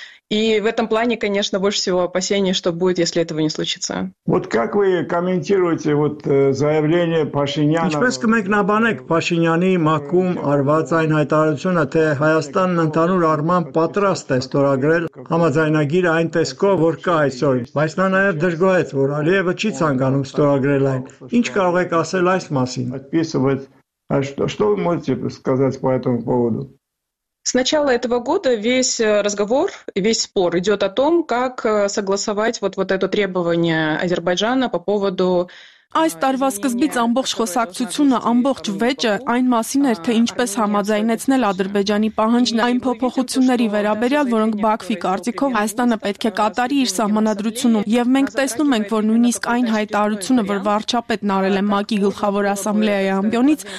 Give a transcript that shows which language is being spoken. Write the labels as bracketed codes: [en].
[ru] И в этом плане, конечно, больше всего опасений, что будет, если этого не случится. Вот как вы комментируете вот заявление Пашиняна? [hy] Ինչպես կմենք նաբանեք Փաշինյանի մաքում արված այն հայտարարությունը, թե Հայաստանն ընդհանուր առմամբ պատրաստ է ստորագրել համաձայնագիրը այն տեսքով, որ կա այսօր, բայց նա նաև դժգոհեց, որ Ալիևը չի ցանկանում ստորագրել այն։ Ինչ կարող եք ասել այս մասին? [ru] Что вы можете сказать по этому поводу? С начала этого года весь разговор, весь спор идет о том, как согласовать вот это требование Азербайджана по поводу [hy] Այս տարվա սկզբից ամբողջ խոսակցությունը, ամբողջ վեճը այն մասին էր, թե ինչպես համաձայնեցնել Ադրբեջանի պահանջն այն փոփոխությունների վերաբերյալ, որոնք Բաքվի կարծիքով Հայաստանը պետք է կատարի իր սահմանադրությունում։ Եվ մենք տեսնում ենք, որ նույնիսկ այն հայտարարությունը, որ վարչապետն արել է ՄԱԿ-ի գլխավոր ասամբլեայի ամբիոնից,